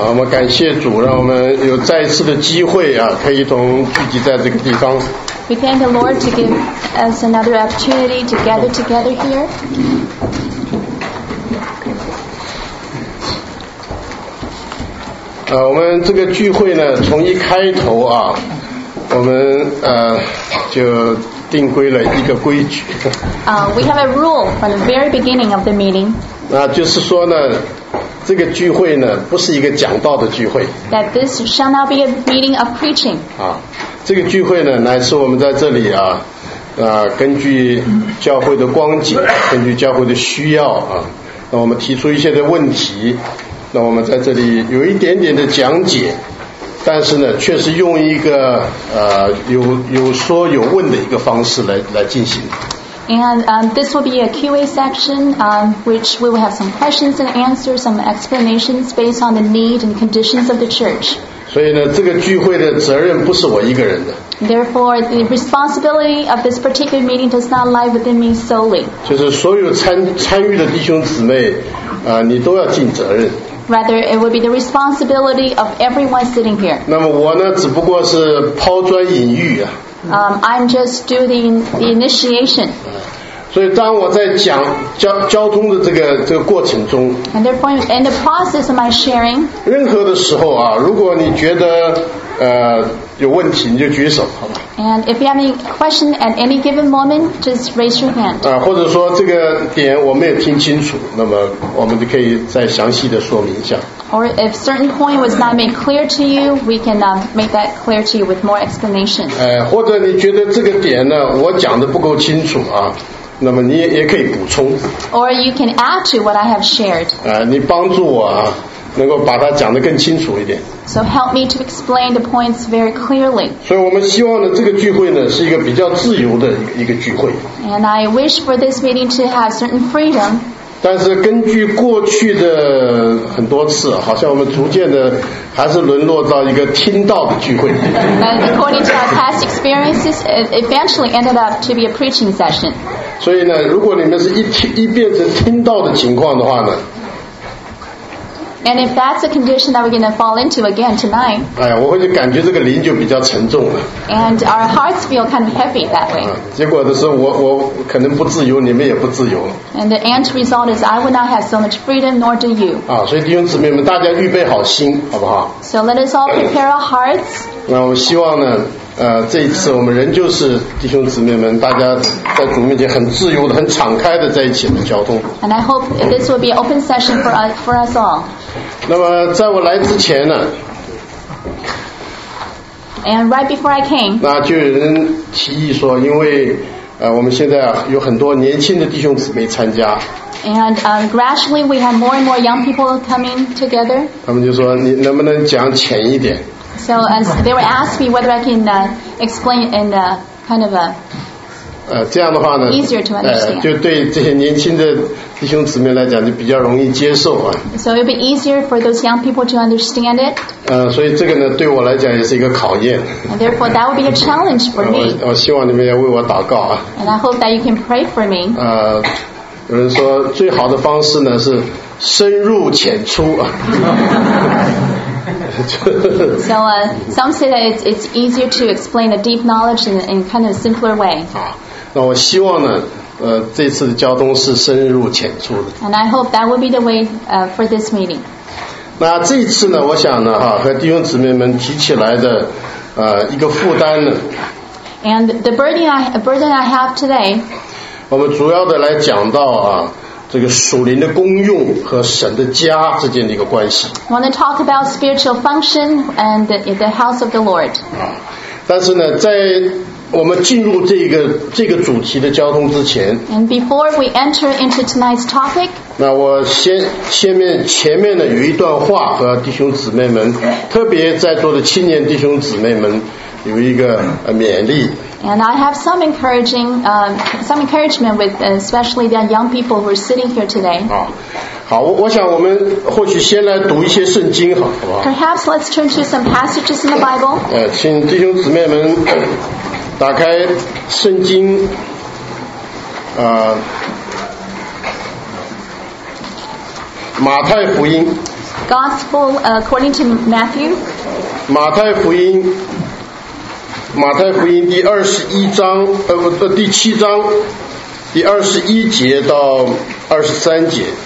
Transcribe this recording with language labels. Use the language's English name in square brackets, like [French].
[Chinese] 感谢主，让我们有再次的机会啊，可以同聚集在这个地方。 [English] We thank the Lord to give us another opportunity to gather together here. [Chinese] 我们这个聚会呢，从一开头啊，我们就定规了一个规矩。 [English] We have a rule from the very beginning of the meeting. [Chinese] 那就是说呢，这个聚会呢，不是一个讲道的聚会。 [English] That this shall not be a meeting of preaching. [Chinese] 啊，这个聚会呢，乃是我们在这里啊，根据教会的光景，根据教会的需要啊，那我们提出一些的问题。那我们在这里有一点点的讲解，但是呢，却是用一个有说有问的一个方式来进行。 [English] And this will be a Q&A section, which we will have some questions and answers, some explanations based on the need and conditions of the church. [Chinese] 所以呢，这个聚会的责任不是我一个人的。 [English] Therefore, the responsibility of this particular meeting does not lie within me solely. [Chinese] 就是所有参与的弟兄姊妹，你都要尽责任。 [English] Rather, it would be the responsibility of everyone sitting here. [Chinese] 那么我呢，只不过是抛砖引玉啊。 [English] I'm just doing the initiation. [Chinese] 所以当我在讲交通的这个过程中 [English] ，and therefore in the process of my sharing， [Chinese] 任何的时候啊，如果你觉得有问题，你就举手，好吧 [English] ？And if you have any question at any given moment, just raise your hand. [Chinese] 或者说这个点我没有听清楚，那么我们就可以再详细的说明一下。 [English] Or if certain point was not made clear to you, we can make that clear to you with more explanation. [Chinese] 或者你觉得这个点呢，我讲的不够清楚啊，那么你也可以补充。 [English] Or you can add to what I have shared. [Chinese] 你帮助我啊。能够把它讲得更清楚一点。 [English] So help me to explain the points very clearly. [Chinese] 所以我们希望呢，这个聚会呢是一个比较自由的一个聚会。 [English] And I wish for this meeting to have certain freedom. [Chinese] 但是根据过去的很多次，好像我们逐渐的还是沦落到一个听道的聚会。 [English] And according to our past experiences, it eventually ended up to be a preaching session. [Chinese] 所以呢，如果你们是一变成听道的情况的话呢？ [English] And if that's the condition that we're going to fall into again tonight, [Chinese] 我会感觉这个灵就比较沉重了。 [English] And our hearts feel kind of heavy that way. [Chinese] 结果的是我可能不自由，你们也不自由。 [English] And the end result is I will not have so much freedom, nor do you. [Chinese] 所以弟兄姊妹们，大家预备好心，好不好 [English] ？So let us all prepare our hearts. [Chinese] 那我希望呢，这一次我们仍旧是弟兄姊妹们，大家在主面前很自由的、很敞开的在一起的交通。 [English] And I hope this will be an open session for us all. [Chinese] 那么在我来之前呢 [English] ，And right before I came， [Chinese] 那就有人提议说，因为我们现在有很多年轻的弟兄姊妹参加。 [English] And gradually we have more and more young people coming together. [Chinese] 他们就说你能不能讲浅一点。 [English] So as they were asking me whether I can explain in a kind of a [Chinese] 这样的话呢 [English] easier to understand. [Chinese] 就对这些年轻的弟兄姊妹来讲就比较容易接受啊。 [English] So it'll be easier for those young people to understand it. [Chinese] 所以这个呢对我来讲也是一个考验。 [English] And therefore that would be a challenge for me. [Chinese] 我希望你们也为我祷告啊。 [English] And I hope that you can pray for me. [Chinese] 有人说最好的方式呢是深入浅出啊。 [English] So some say that it's easier to explain a deep knowledge in kind of simpler way. [Chinese] 那我希望呢，这次的交通是深入浅出的。 [English] And I hope that will be the way for this meeting. [Chinese] 那这次呢，我想呢，和弟兄姊妹们提起来的一个负担呢。 [English] And the burden I have today. [Chinese] 我们主要的来讲到啊。这个属灵的功用和神的家之间的一个关系。 [English] I want to talk about spiritual function and the house of the Lord. [Chinese] 但是呢，在我们进入这个主题的交通之前 [English] ，And before we enter into tonight's topic， [Chinese] 那我前面呢有一段话和弟兄姊妹们，特别在座的青年弟兄姊妹们有一个勉励。 [English] And I have some encouragement with especially the young people who are sitting here today. [Chinese] 好，我想我们或许先来读一些圣经，好不好 [English] ？Perhaps let's turn to some passages in the Bible. [Chinese] 请弟兄姊妹们打开圣经，马太福音。 [English] Gospel according to Matthew. [Chinese] 马太福音。马太福音第二十一章，第七章，第二十一节到二十三节。